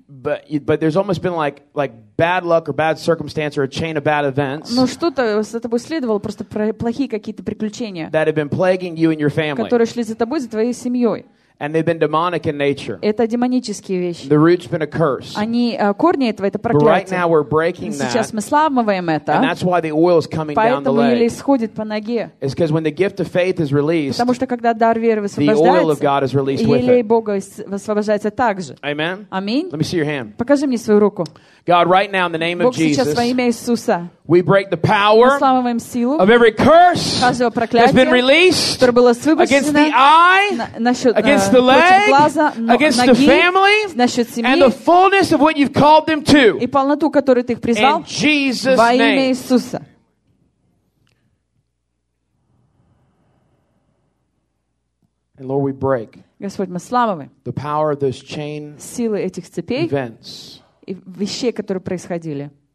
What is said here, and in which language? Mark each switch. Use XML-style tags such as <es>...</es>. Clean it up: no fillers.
<en>But there's almost been like bad luck or bad circumstance or a chain of bad events.</en> <ru>Но что-то за тобой следовало, просто плохие какие-то приключения,</ru> <en>that have been plaguing you and your family.</en> <ru>Которые шли за тобой, за твоей семьей.</ru> <en>And they've been demonic in nature.</en> <ru>Это демонические вещи.</ru> <en>The root's been a curse.</en> <ru>Они корни этого это проклятие.</ru> <en>But right now we're breaking that.</en> <ru>Сейчас мы сломываем это.</ru> <en>And that's why the oil is coming down the leg.</en> <ru>Поэтому еле исходит по ноге.</ru> <en>It's because when the gift of faith is released.</en> <ru>Потому что когда дар веры высвобождается.</ru> <en>The oil of God is released with it.</en> <ru>Елей Бога высвобождается также.</ru> <en>Amen.</en> <ru>Аминь.</ru> <en>Let me see your hand.</en> <ru>Покажи мне свою руку.</ru> <en>God, right now in the name</en> <ru>Бог</ru> <en>of Jesus.</en> <ru>Сейчас во имя Иисуса.</ru> <en>We break the power of every curse that's been released against the eye, against the leg, against the family, and the fullness of what you've called them to. In Jesus' name. And Lord, we break the power of those chain events</en> <ru>и вещей, которые происходили.</ru>